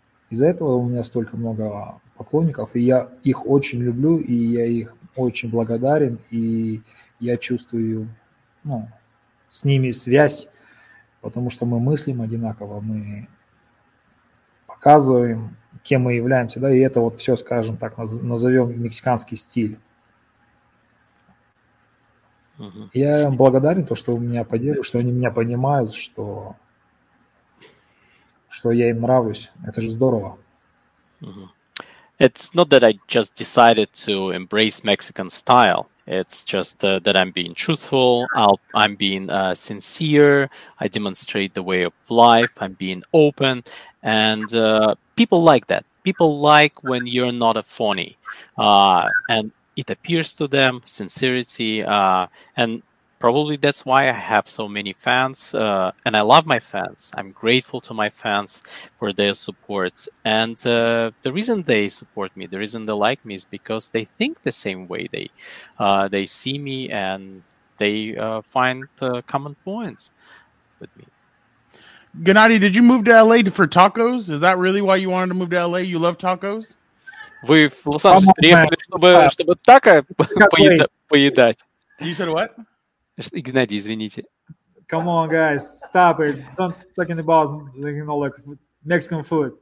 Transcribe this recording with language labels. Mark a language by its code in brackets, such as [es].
[ru] Из-за этого у меня столько много поклонников, и я их очень люблю, и я их очень благодарен, и я чувствую, ну, с ними связь, потому что мы мыслим одинаково, мы показываем, кем мы являемся, да, и это вот все, скажем так, назовем мексиканский стиль. Я им благодарен, то, что меня поддерживают, что они меня понимают, что я им нравлюсь. Это же здорово. [en] It's not that I just decided to embrace Mexican style. It's just that I'm being truthful. I'm being sincere. I demonstrate the way of life. I'm being open. And people like that. People like when you're not a phony. And it appears to them, sincerity, and probably that's why I have so many fans, and I love my fans. I'm grateful to my fans for their support, and the reason they support me, the reason they like me is because they think the same way. They see me, and they find common points with me. Gennady, did you move to LA for tacos? Is that really why you wanted to move to LA? You love tacos? [ru] Вы в Лос-Анджелес приехали, чтобы тако поедать. [en] You said what? [ru] Игнатий, извините. [en] Come on, guys, stop it. Don't talking about, you know, like Mexican food.